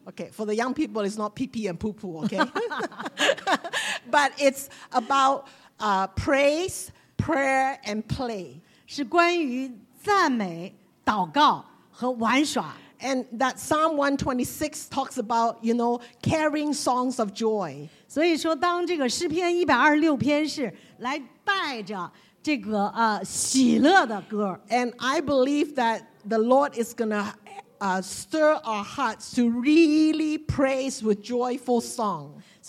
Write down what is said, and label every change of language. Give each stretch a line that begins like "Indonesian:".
English: Okay, for the young people, it's not PP and poo poo. Okay, but it's about praise, prayer, and play.
Chinese: 是关于赞美、祷告和玩耍.
English: And that Psalm 126 talks about, you know, carrying songs of joy.
Chinese: 所以说，当这个诗篇126篇是来带着。
English: And I believe that the Lord is going to stir our hearts to really praise with joyful song.